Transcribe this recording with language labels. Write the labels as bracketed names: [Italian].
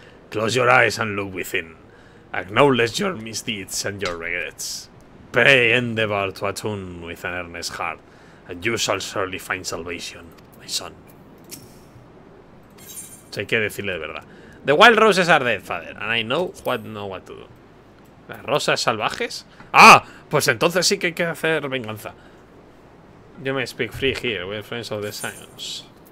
[English] Close your eyes and look within. Acknowledge your misdeeds and your regrets. Pray endeavor to atone with an earnest heart, and you shall surely find salvation, my son. So [Spanish] hay que decirle de verdad. [English] The wild roses are dead, father, and I know what to do. [Spanish] ¿Las rosas salvajes? ¡Ah! Pues entonces sí que hay que hacer venganza. [English] You may speak free here, we're friends of the science.